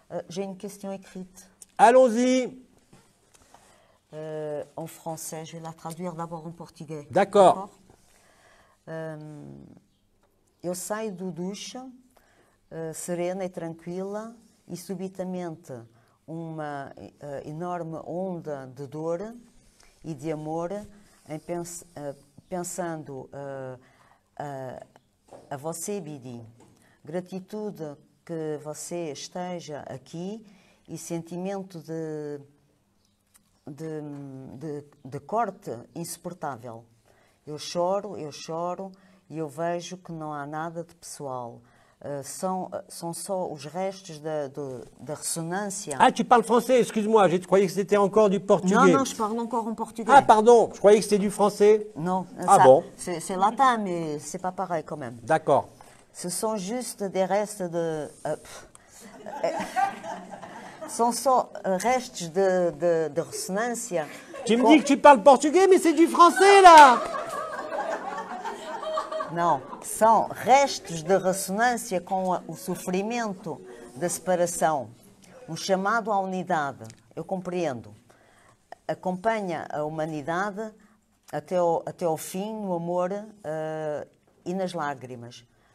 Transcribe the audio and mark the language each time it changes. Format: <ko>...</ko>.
<fr>J'ai une question écrite. Allons-y. En français, je vais la traduire d'abord en portugais. D'accord.</fr> <pt>Eu saio do ducha, serena e tranquila, e subitamente uma enorme onda de dor e de amor, em pensando a você, Bidi. Gratitude que você esteja aqui e sentimento de corte insuportável. Eu choro e eu vejo que não há nada de pessoal. São só os restos da ressonância.</pt> <fr>Ah, tu parles français, excuse-moi, je croyais que c'était encore du portugais. Não, je parle encore en portugais. Ah, pardon, je croyais que c'était du français. Non, ah, ça, bon. C'est latin, mais c'est pas pareil quand même. D'accord. Ce sont juste des restes de...</fr> <pt>sont só restos de ressonância.</pt> <fr>Tu me dis que tu parles portugais, mais c'est du français, là!</fr> <pt>Não, são restos de ressonância com o sofrimento da separação. Um chamado à unidade. Eu compreendo. Acompanha a humanidade até ao fim, no amor e nas lágrimas.</pt>